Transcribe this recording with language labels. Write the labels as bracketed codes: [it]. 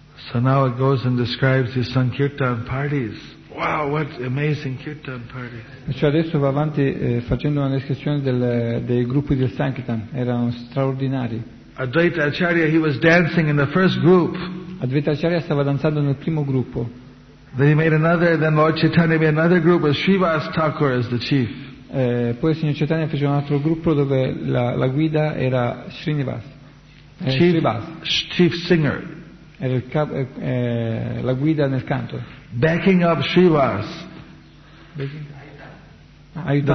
[en] So now it goes and describes these sankirtan parties. Wow, what amazing kirtan parties! [it] Perciò adesso va avanti facendo una descrizione dei gruppi del sankirtan. Erano straordinari. [en] Advaita Acharya, he was dancing in the first group. [it] Advaita Acharya stava danzando nel primo gruppo. [en] Then he made another, then Lord Chaitanya made another group with Srivas Thakur as the chief. [it] Poi il signor Chaitanya fece un altro gruppo dove la guida era Srinivas. [en] Chief singer. [it] Era il capo, la guida nel canto. [en] Backing up Srivas. [it] Aiutando